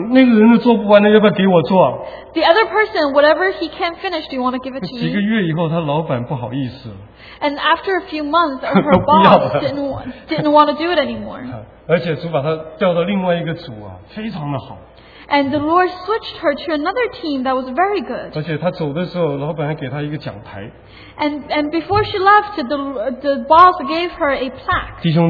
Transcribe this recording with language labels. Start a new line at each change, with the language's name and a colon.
Chinese: 那个人都做不完, 要不要给我做啊?
English: The other person, whatever he can't finish, do you want to give it to me?
Chinese: 几个月以后, 她老板不好意思了。
English: And after a few months, her boss didn't want to do it anymore.
Chinese: 而且主把他调到另外一个组啊，非常的好。
English: And the Lord switched her to another team that was very good.
Chinese: 而且他走的时候，老板还给他一个奖牌。
English: And before she left, the boss gave her a plaque.